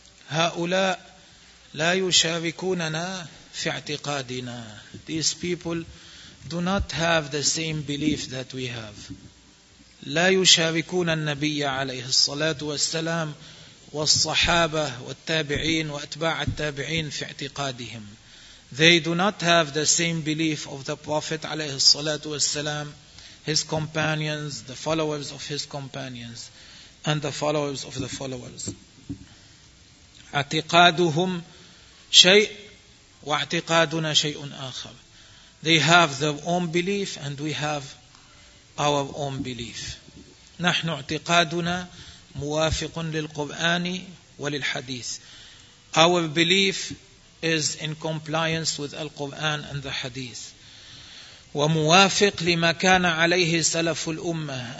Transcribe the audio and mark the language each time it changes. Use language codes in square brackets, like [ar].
[ar] هؤلاء لا يشاركوننا في اعتقادنا. [en] These people do not have the same belief that we have. [ar] لا يشاركون النبي عليه الصلاة والسلام والصحابة والتابعين وأتباع التابعين في اعتقادهم. [en] They do not have the same belief of the Prophet [ar] عليه الصلاة والسلام, [en] his companions, the followers of his companions, and the followers of the followers. [ar] اعتقادهم شيء واعتقادنا شيء آخر. [en] They have their own belief and we have our own belief. [ar] نحن اعتقادنا موافق للقرآن وللحديث. [en] Our belief is in compliance with Al-Quran and the Hadith. [ar] وموافق لما كان عليه سلف الأمة.